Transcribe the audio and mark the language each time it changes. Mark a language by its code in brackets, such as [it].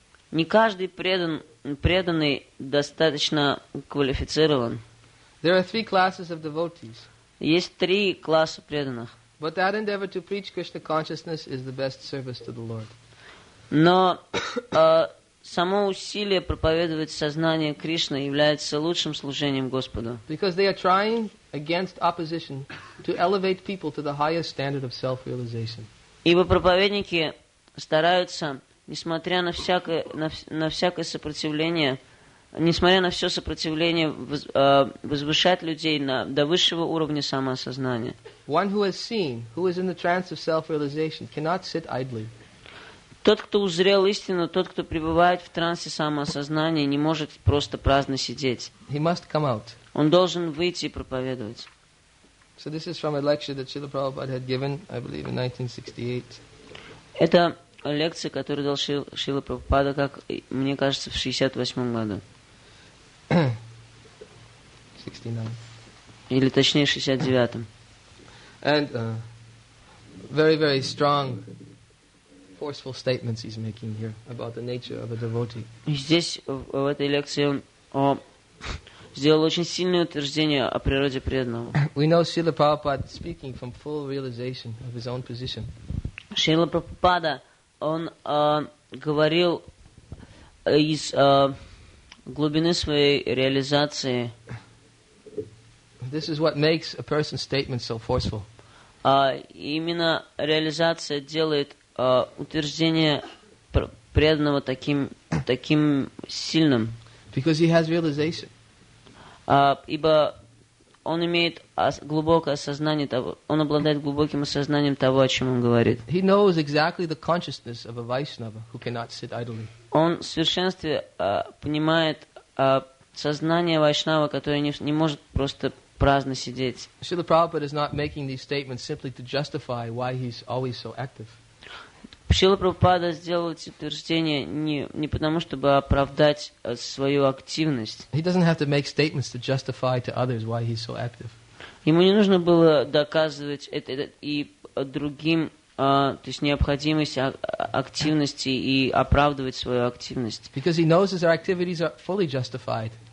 [ru] Не каждый преданный достаточно квалифицирован. [en] There are three classes of devotees. [ru] Есть три класса преданных. [en] But that endeavor to preach Krishna consciousness is the best service to the Lord. [ru] Но само усилие проповедовать сознание Кришны является лучшим служением Господу. [en] Because they are trying against opposition to elevate people to the highest standard of self-realization. [ru] Ибо проповедники стараются, несмотря на всякое сопротивление, несмотря на все сопротивление, возвышать людей до высшего уровня самоосознания. [en] One who has seen, who is in the trance of self-realization, cannot sit idly. [ru] Тот, кто узрел истину, тот, кто пребывает в трансе самоосознания, не может просто праздно сидеть. [en] He must come out. [ru] Он должен выйти и проповедовать. [en] So this is from a lecture that Srila Prabhupada had given, I believe, in 1968. [ru] Это лекция, которую дал Шрила Прабхупада, как мне кажется, в 68 году. [en] 69. [ru] или точнее 69-м. [en] And very, very strong, forceful statements he's making here about the nature of a devotee. [ru] Здесь в этой лекции он сделал очень сильное утверждение о природе преданного. [en] We know Srila Prabhupada speaking from full realization of his own position. [ru] Шрила Прабхупада, он говорил из глубины своей реализации. [en] This is what makes a person's statement so forceful. [ru] Именно реализация делает утверждение преданного таким сильным. [en] Because he has realization. [ru] Ибо он имеет глубокое осознание того, он обладает глубоким осознанием того, о чем он говорит. [en] He knows exactly the consciousness of a Vaishnava who cannot sit idly. [ru] Он в совершенстве понимает сознание Вайшнава, которое не может просто праздно сидеть. [en] Srila Prabhupada is not making these statements simply to justify why he's always so active. [ru] Шрила Прабхупада сделал эти утверждения не потому, чтобы оправдать свою активность. [en] He doesn't have to make statements to justify to others why he's so active. [ru] Ему не нужно было доказывать это и другим, то есть необходимость активности и оправдывать свою активность. [en] Because he knows his activities are fully justified.